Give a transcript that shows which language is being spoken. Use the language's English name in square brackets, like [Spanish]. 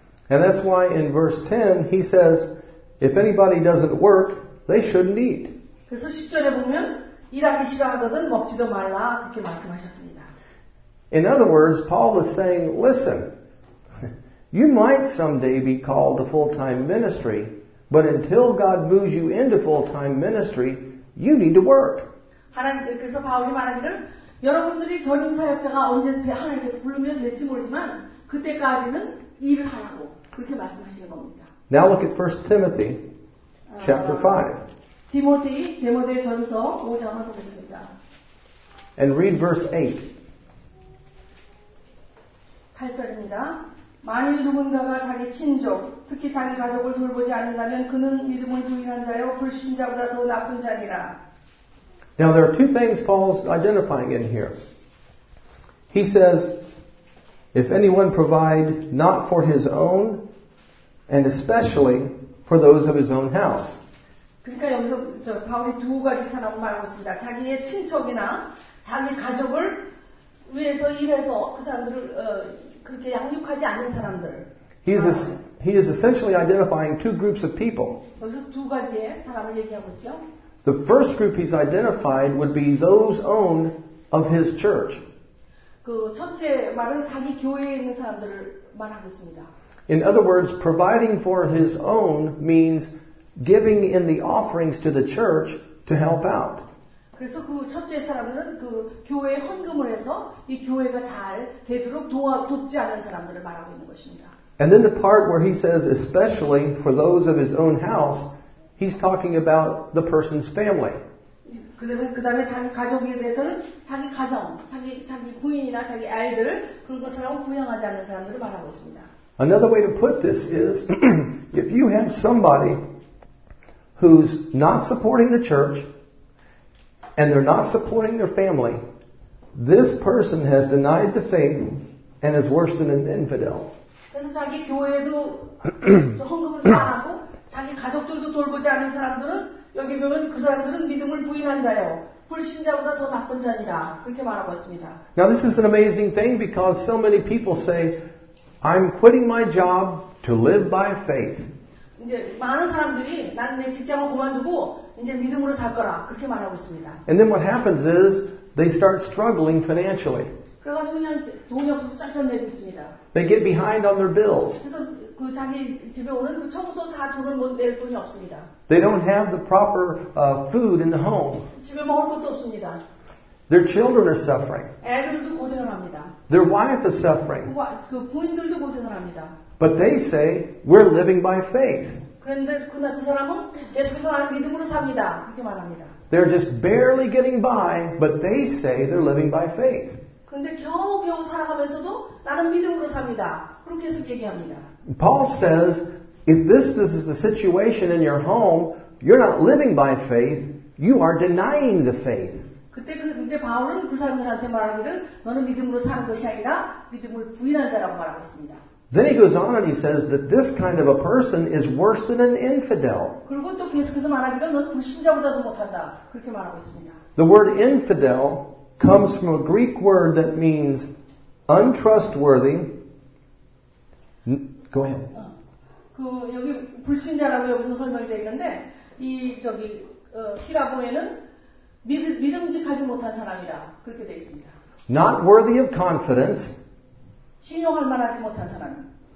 [English] And that's why in verse 10 he says, if anybody doesn't work, they shouldn't eat. [Korean] 그래서 10절에 보면 일하기 싫어하거든 먹지도 말라 그렇게 말씀하셨습니다. [English] In other words, Paul is saying, listen, you might someday be called to full-time ministry, but until God moves you into full-time ministry, you need to work. [Korean] 그래서 바울이 말하기를 여러분들이 전임 사역자가 언제 하나님께서 부르면 될지 모르지만 그때까지는 일을 하라고 그렇게 말씀하시는 겁니다. [English] Now look at 1 Timothy chapter 5. [Korean] 디모데 전서 5장을 보겠습니다. [English] And read verse 8. [Korean] 8절입니다. 만일 누군가가 자기 친족, 특히 자기 가족을 돌보지 않는다면 그는 믿음을 부인한 자요 불신자보다 더 나쁜 자니라. [English] Now there are two things Paul's identifying in here. He says, if anyone provide not for his own, and especially for those of his own house. [Korean] 그러니까 여기서 바울이 두 가지 사람을 말하고 있습니다. 자기의 친척이나 자기 가족을 위해서 일해서 그 사람들을 그렇게 양육하지 않는 사람들. [English] He is essentially identifying two groups of people. [Korean] 여기서 두 가지의 사람을 얘기하고 있죠. [English] The first group he's identified would be those owned of his church. [Korean] 그 첫째 말은 자기 교회에 있는 사람들을 말하고 있습니다. [English] In other words, providing for his own means giving in the offerings to the church to help out. [Korean] 그래서 그 첫째 사람들은 그 교회에 헌금을 해서 이 교회가 잘 되도록 돕지 않는 사람들을 말하고 있는 것입니다. [English] And then the part where he says especially for those of his own house, he's talking about the person's family. [Korean] 그다음에 자기 가족에 대해서는 자기 가정, 자기 부인이나 자기 아이들 그런 것을 부양하지 않는 사람들을 말하고 있습니다. [English] Another way to put this is if you have somebody who's not supporting the church and they're not supporting their family, this person has denied the faith and is worse than an infidel. [Korean] 그래서 자기 교회에도 헌금을 안 하고 자기 가족들도 돌보지 않는 사람들은 여기 보면 그 사람들은 믿음을 부인한 자요. 불신자보다 더 나쁜 자니라. 그렇게 말하고 있습니다. [English] Now this is an amazing thing because so many people say I'm quitting my job to live by faith. [Korean] 이제 많은 사람들이 나는 내 직장을 그만두고 이제 믿음으로 살 거라 그렇게 말하고 있습니다. [English] And then what happens is they start struggling financially. [Korean] 그래서 그냥 돈이 없어서 짜증내고 있습니다. [English] They get behind on their bills. [Korean] 그래서 그 자기 집에 오는 그 청소 다 돈을 못 낼 돈이 없습니다. [English] They don't have the proper food in the home. [Korean] 집에 먹을 것도 없습니다. [English] Their children are suffering. [Korean] 애들도 고생을 합니다. [English] Their wife is suffering. [Korean] 그 부인들도 고생을 합니다. [English] But they say we're living by faith. [Korean] 그런데 그 사람은 계속해서 나는 믿음으로 삽니다. 이렇게 말합니다. [English] They're just barely getting by, but they say they're living by faith. [Korean] 근데 겨우겨우 살아가면서도 나는 믿음으로 삽니다. 그렇게 계속 얘기합니다. [English] Paul says, if this is the situation in your home, you're not living by faith, you are denying the faith. [Korean] 그때 근데 바울은 그 사람들한테 말하기를 너는 믿음으로 사는 것이 아니라 믿음을 부인한 자라고 말하고 있습니다. [English] Then he goes on and he says that this kind of a person is worse than an infidel. [Korean] 그리고 또 계속해서 말하기를 너는 불신자보다도 못한다. 그렇게 말하고 있습니다. [English] The word infidel comes from a Greek word that means untrustworthy. Go ahead. [Korean] 그 여기 불신자라고 여기서 설명되어 있는데 이 저기 히라보에는 믿음직하지 못한 사람이라 그렇게 되어 있습니다. [English] Not worthy of confidence. [Korean] 신용할 만하지 못한 사람.